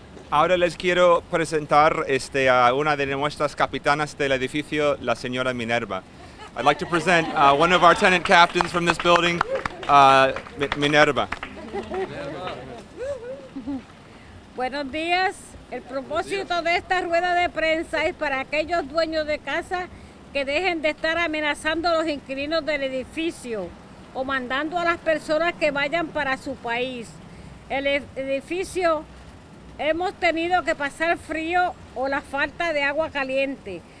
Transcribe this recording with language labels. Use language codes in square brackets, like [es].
[es] Ahora les quiero presentar a una de nuestras capitanas del edificio, la señora Minerva. [en] I'd like to present one of our tenant captains from this building, Minerva. [es] Buenos días. El propósito de esta rueda de prensa es para aquellos dueños de casa que dejen de estar amenazando a los inquilinos del edificio o mandando a las personas que vayan para su país. El edificio hemos tenido que pasar frío o la falta de agua caliente.